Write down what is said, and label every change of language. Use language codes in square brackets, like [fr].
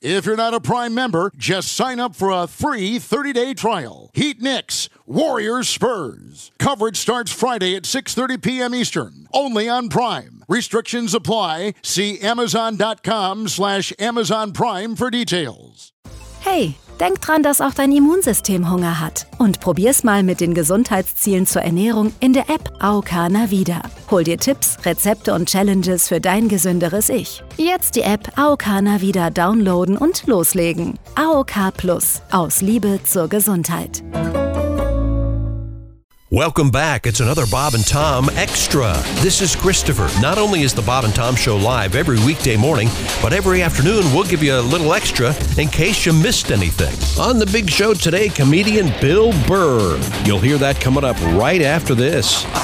[en] If you're not a Prime member, just sign up for a free 30-day trial. Heat Knicks, Warriors Spurs. Coverage starts Friday at 6:30 p.m. Eastern, only on Prime. Restrictions apply. See Amazon.com/Amazon Prime for details. [de] Hey, denk dran, dass auch dein Immunsystem Hunger hat. Und probier's mal mit den Gesundheitszielen zur Ernährung in der App Auka Navida. Hol dir Tipps, Rezepte und Challenges für dein gesünderes Ich. Jetzt die App Auka Navida downloaden und loslegen. Auka Plus. Aus Liebe zur Gesundheit. [en] Welcome back. It's another Bob and Tom Extra. This is Christopher. Not only is the Bob and Tom Show live every weekday morning, but every afternoon we'll give you a little extra in case you missed anything. On the big show today, comedian Bill Burr. You'll hear that coming up right after this.